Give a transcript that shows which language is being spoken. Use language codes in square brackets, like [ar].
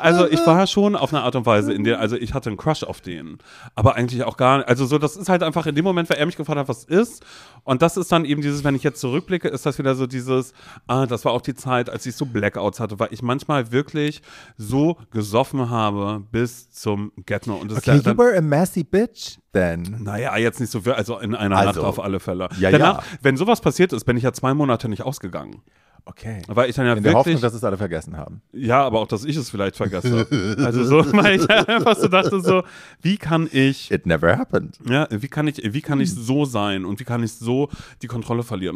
[de] Also ich war schon auf eine Art und Weise in der, also ich hatte einen Crush auf den. Aber eigentlich auch gar nicht. Also so, das ist halt einfach in dem Moment, weil er mich gefragt hat, was ist. Und das ist dann eben dieses, wenn ich jetzt zurückblicke, ist das wieder so dieses, ah, das war auch die Zeit, als ich so Blackouts hatte, weil ich manchmal wirklich so gesoffen habe bis zum Get-No. Und okay, dann, [en] you were a messy bitch then. [de] Naja, jetzt nicht so, also in einer Nacht auf alle Fälle. Ja, danach, ja. Wenn sowas passiert ist, bin ich ja 2 Monate nicht ausgegangen. Okay. Weil ich dann ja in wirklich, der Hoffnung, dass es alle vergessen haben. Ja, aber auch, dass ich es vielleicht vergesse. Also so, weil ich einfach so dachte so, wie kann ich... [en] It never happened. [de] Ja, wie kann ich so sein und wie kann ich so die Kontrolle verlieren?